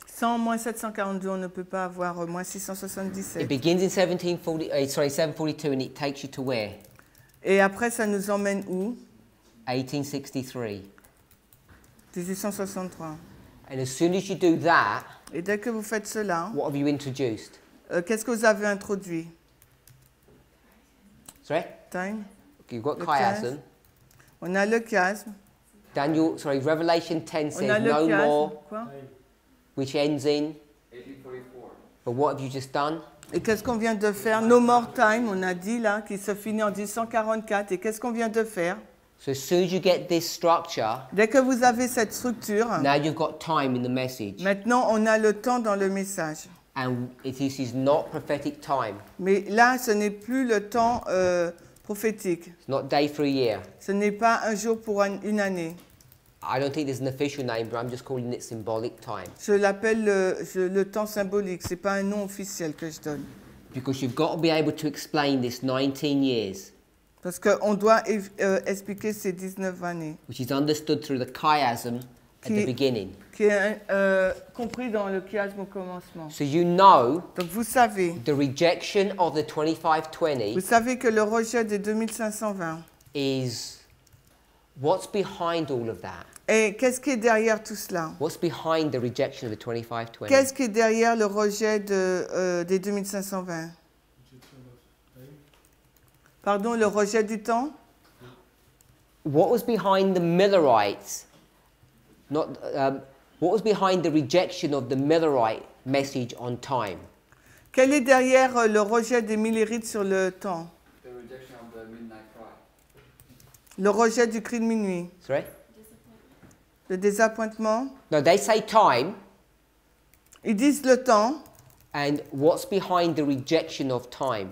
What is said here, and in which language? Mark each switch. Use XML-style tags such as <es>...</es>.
<fr>Sans moins 742, on ne peut pas avoir moins 677.</fr> <en>It begins in 742, and it takes you to where?</en> <fr>Et après, ça nous emmène où?</fr> <en>1863.</en> <fr>1863.</fr> <en>And as soon as you do that,</en> <fr>et dès que vous faites cela,</fr> <en>what have you introduced?</en> <fr>Qu'est-ce que vous avez introduit?</fr> <en>Sorry? Time. Okay, you've got chiasm.</en> <fr>On a le chiasme.</fr> <en>Revelation 10 says no</en> <fr>chiasme.</fr> <en>More.</en> <fr>Quoi?</fr> <en>Which ends in? 1844. But what have you just done?</en> <fr>Et qu'est-ce qu'on vient de faire?</fr> <en>No more time,</en> <fr>on a dit là, qui se finit en 1844. Et qu'est-ce qu'on vient de faire?</fr> <en>So as soon as you get this structure,</en> <fr>dès que vous avez cette structure,</fr> <en>now you've got time in the message.</en> <fr>Maintenant, on a le temps dans le message.</fr> <en>And this is not prophetic time.</en> <fr>Mais là, ce n'est plus le temps... prophétique.</fr> <en>It's not day for a year.</en> <fr>Ce n'est pas un jour pour une année.</fr> <en>I don't think there's an official name, but I'm just calling it symbolic time.</en> <fr>Je l'appelle le temps symbolique. C'est pas un nom officiel que je donne.</fr> <en>Because you've got to be able to explain this 19 years.</en> <fr>Parce que on doit expliquer ces 19 années.</fr> <en>Which is understood through the chiasm at the beginning.</en> <fr>Qui est compris dans le chiasme au commencement.</fr> <en>So you know,</en> <fr>donc vous savez,</fr> <en>the rejection of the 2520,</en> <fr>vous savez que le rejet des 2520</fr> <en>is what's behind all of that.</en> <fr>Et qu'est-ce qui est derrière tout cela?</fr> <en>What's behind the rejection of the 2520?</en> <fr>Qu'est-ce qui est derrière le rejet des 2520? Pardon, le rejet du temps?</fr> <en>What was behind the Millerites? What was behind the rejection of the Millerite message on time?</en> <fr>Quel est derrière le rejet des Millerites sur le temps?</fr> <en>The rejection of the midnight cry.</en> <fr>Le rejet du cri de minuit.</fr> <en>Sorry?</en> <fr>Le désappointement.</fr> <en>No, they say time.</en> <fr>Ils disent le temps.</fr> <en>And what's behind the rejection of time?</en>